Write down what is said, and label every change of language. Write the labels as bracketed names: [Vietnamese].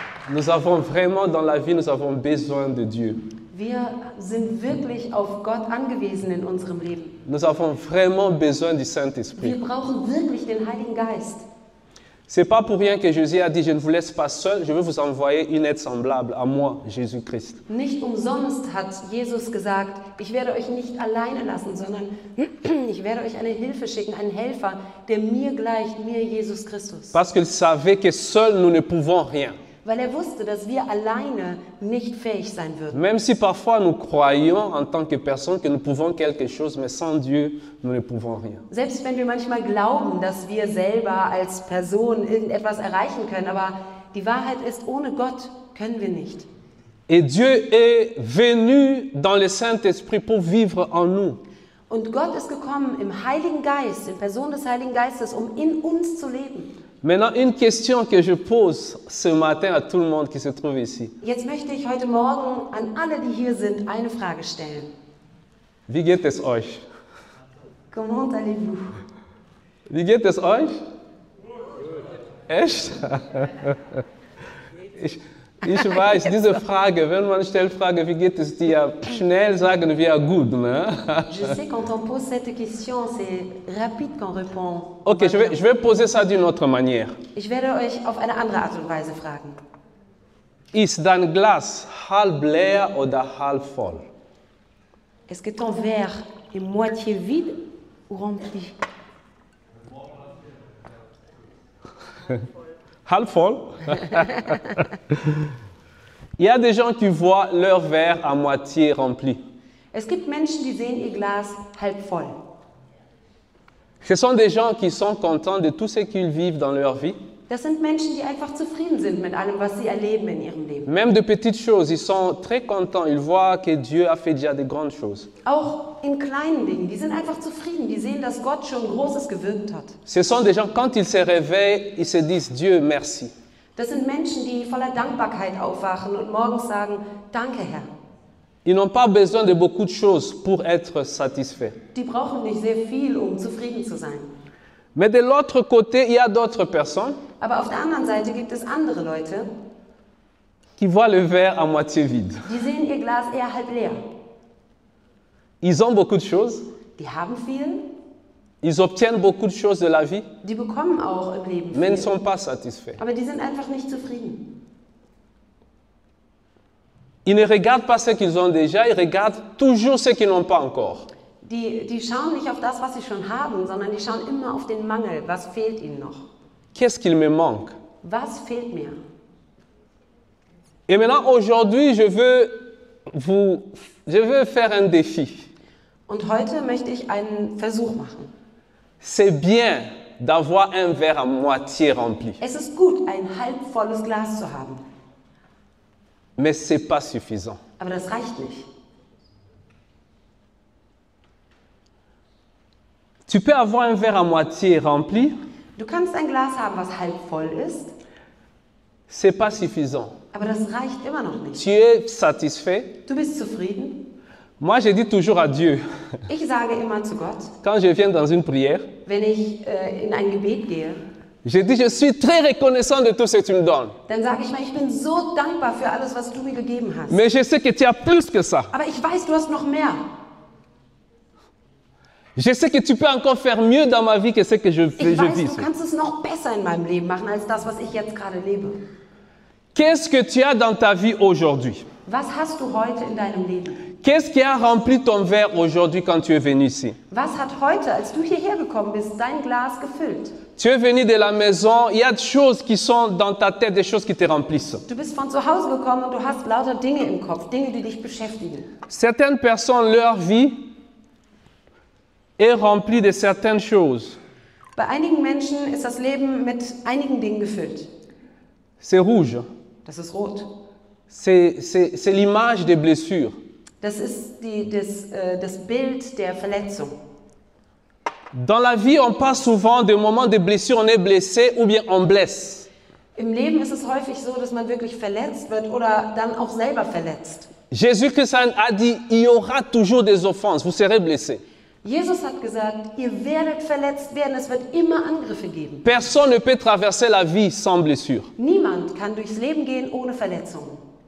[French] Nous avons vraiment dans la vie, nous avons besoin de Dieu. [German] Wir sind wirklich auf Gott angewiesen in unserem Leben. [French] Nous avons vraiment besoin du Saint-Esprit. [German] Wir brauchen wirklich den Heiligen Geist. [French] C'est pas pour rien que Jésus a dit, je ne vous laisse pas seul, je veux vous envoyer une aide semblable à moi, Jésus-Christ. [German] Nicht umsonst hat Jesus gesagt, ich werde euch nicht alleine lassen, sondern ich werde euch eine Hilfe schicken, einen Helfer, der mir gleicht, mir Jesus Christus. [French] Parce qu'il savait que seul nous ne pouvons rien. [German] Weil er wusste, dass wir alleine nicht fähig sein würden. [French] Même si parfois nous croyons en tant que personne que nous pouvons quelque chose, mais sans Dieu, nous ne pouvons rien. [German] Selbst wenn wir manchmal glauben, dass wir selber als Person irgendetwas erreichen können, aber die Wahrheit ist, ohne Gott können wir nicht. [French] Et Dieu est venu dans le Saint-Esprit pour vivre en nous. [German] Und Gott ist gekommen im Heiligen Geist, in Person des Heiligen Geistes, um in uns zu leben. [French] Maintenant, une question que je pose ce matin à tout le monde qui se trouve ici. [German] Jetzt möchte ich heute Morgen an alle, die hier sind, eine Frage stellen. Wie geht es euch? [French] Comment allez-vous? [German] Wie geht es euch? Echt? Ich weiß, diese Frage, wenn man stellt Frage, wie geht es dir, schnell sagen wir gut, ne? [French] Je sais, quand on pose cette question, c'est rapide qu'on répond. Ok, je vais poser ça d'une autre manière. [German] Ich werde euch auf eine andere Art und Weise fragen. Ist dein Glas halb leer oder halb voll? [French] Est-ce que ton verre est moitié vide ou rempli? [German] Halb voll. [French] Il y a des gens qui voient leur verre à moitié rempli. [German] Es gibt Menschen, die sehen ihr Glas halb voll. [French] Ce sont des gens qui sont contents de tout ce qu'ils vivent dans leur vie. [German] Das sind Menschen, die einfach zufrieden sind mit allem, was sie erleben in ihrem Leben. [French] Même de petites choses, ils sont très contents. Ils voient que Dieu a fait déjà de grandes choses. [German] Auch in kleinen Dingen, die sind einfach zufrieden. Die sehen, dass Gott schon Großes gewirkt hat. [French] Ce sont des gens, quand ils se réveillent, ils se disent Dieu merci. [German] Das sind Menschen, die voller Dankbarkeit aufwachen und morgens sagen Danke, Herr. [French] Ils n'ont pas besoin de beaucoup de choses pour être satisfaits. [German] Die brauchen nicht sehr viel, um zufrieden zu sein. [French] Mais de l'autre côté, il y a d'autres personnes. [German] Aber auf der anderen Seite gibt es andere Leute, [French] qui voient le verre à moitié vide. [German] Die sehen ihr Glas eher halb leer. [French] Ils ont beaucoup de choses. [German] Die haben viel. [French] Ils obtiennent beaucoup de choses de la vie. [German] Die bekommen auch im Leben [French] mais [German] viel. [French] Ne sont pas satisfaits. [German] Aber die sind einfach nicht zufrieden. [French] Ils ne regardent pas ce qu'ils ont déjà, ils regardent toujours ce qu'ils n'ont pas encore. [German] Die schauen nicht auf das, was sie schon haben, sondern die schauen immer auf den Mangel. Was fehlt ihnen noch? [French] Qu'est-ce qu'il me manque? [German] Was fehlt mir? [French] Et maintenant, aujourd'hui, je veux faire un défi. [German] Und heute möchte ich einen Versuch machen. [French] C'est bien d'avoir un verre à moitié rempli. [German] Es ist gut, ein halbvolles Glas zu haben. [French] Mais c'est pas suffisant. [German] Aber das reicht nicht. [French] Tu peux avoir un verre à moitié rempli. [German] Du kannst ein Glas haben, was halb voll ist. [French] C'est pas suffisant. [German] Aber das reicht immer noch nicht. [French] Tu es satisfait. [German] Du bist zufrieden. [French] Moi, je dis toujours à Dieu. [German] Ich sage immer zu Gott. [French] Quand je viens dans une prière. [German] Wenn ich in ein Gebet gehe. [French] Je dis, je suis très reconnaissant de tout ce que tu me donnes. [German] Dann sage ich mal, ich bin so dankbar für alles, was du mir gegeben hast. [French] Mais je sais que tu as plus que ça. [German] Aber ich weiß, du hast noch mehr. [French] Je sais que tu peux encore faire mieux dans ma vie que ce que je vis. [German] Du kannst es noch besser in meinem Leben machen als das, was ich jetzt gerade lebe. [French] Qu'est-ce que tu as dans ta vie aujourd'hui? [German] Was hast du heute in deinem Leben? [French] Qu'est-ce qui a rempli ton verre aujourd'hui quand tu es venu ici? [German] Was hat heute, als du hierher gekommen bist, dein Glas gefüllt? [French] Tu es venu de la maison, il y a des choses qui sont dans ta tête, des choses qui te remplissent. [German] Du bist von zu Hause gekommen und du hast lauter Dinge im Kopf, Dinge, die dich beschäftigen. [French] Certaines personnes leur vie est rempli de certaines choses. [German] Bei einigen Menschen ist das Leben mit einigen Dingen gefüllt. [French] C'est rouge. [German] Das ist rot. [French] C'est l'image des blessures. [German] Das ist das Bild der Verletzung. [French] Dans la vie, on passe souvent des moments de blessure, on est blessé ou bien on blesse. [German] Im Leben ist es häufig so, dass man wirklich verletzt wird oder dann auch selber verletzt. [French] Jésus-Christ a dit, il y aura toujours des offenses, vous serez blessé. [German] Jesus hat gesagt, ihr werdet verletzt werden, es wird immer Angriffe geben. [French] Personne ne peut traverser la vie sans blessure. [German] Niemand kann durchs Leben gehen ohne Verletzung.